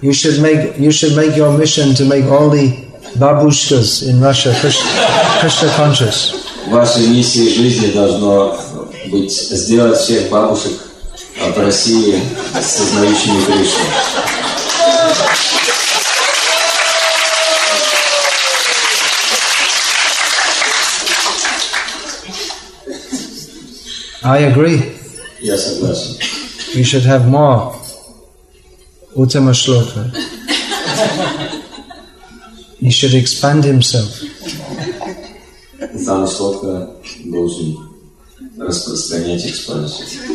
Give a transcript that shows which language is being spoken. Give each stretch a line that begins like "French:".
English: You should make your mission to make all the babushkas in Russia Krishna conscious.
Russian: Ваша миссия в жизни должна быть сделать всех бабушек в России сознающими Кришну.
English: I agree.
Russian: Я согласен.
English: We should have more Uttama Shloka. He should expand himself.
Russian: Uttama Shloka должен распространять экспансию.